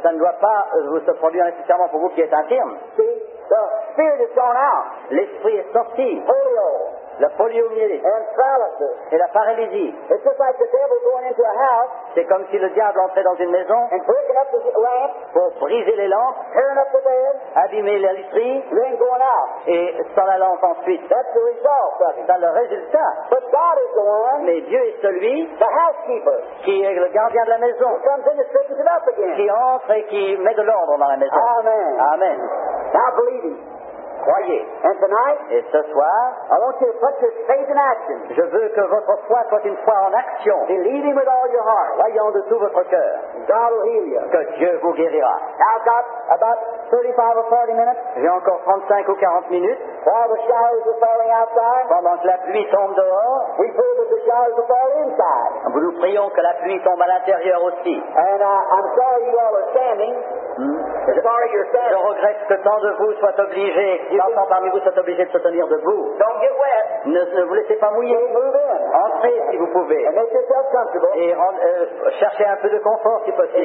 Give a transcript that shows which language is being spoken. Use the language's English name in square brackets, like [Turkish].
[French] Ça ne doit pas vous se produire nécessairement pour vous qui êtes infirme. [English] See, the spirit is gone out. [French] L'esprit est sorti. [English] Polio. [French] La poliomyélite. [English] And paralysis. [French] Et la paralysie. [English] It's just like the devil going into a house. [French] C'est comme si le diable entrait dans une maison. [English] And breaking up the lamp. [French] Pour briser les lampes. [English] Tearing up the bed. [French] Abîmer la literie. [English] Then going out. [French] Et sans la lampe ensuite. [English] That's the result. [French] C'est le résultat. [English] But God is the one. [French] Mais Dieu est celui. [English] The housekeeper. [French] Qui est le gardien de la maison. [English] Who comes in and straightens it up again. [French] Qui entre et qui met de l'ordre dans la maison. [English] Amen. [French] Amen. [English] Now believing. [French] Croyez. [English] And tonight, [French] et ce soir, [English] I want you to put your faith in action. [French] Je veux que votre foi soit une foi en action. [English] Believe him with all your heart. [French] Croyant de tout votre cœur. [English] God will heal you. [French] Que Dieu vous guérira. [English] Now I've got about 35 or 40 minutes. [French] J'ai encore 35 ou 40 minutes. [English] While the showers are falling outside. [French] Pendant que la pluie tombe dehors. [English] We pray that the showers will fall inside. [French] Nous prions que la pluie tombe à l'intérieur aussi. [English] And I'm sorry you all are standing. Sorry you're standing. [French] Je regrette que tant de vous soient obligés. L'enfant parmi vous est obligé de se tenir debout. [English] Don't get wet. [French] Ne vous laissez pas mouiller. [English] Move in. [French] Entrez si vous pouvez. [English] And make yourself comfortable. [French] Et cherchez un peu de confort si possible.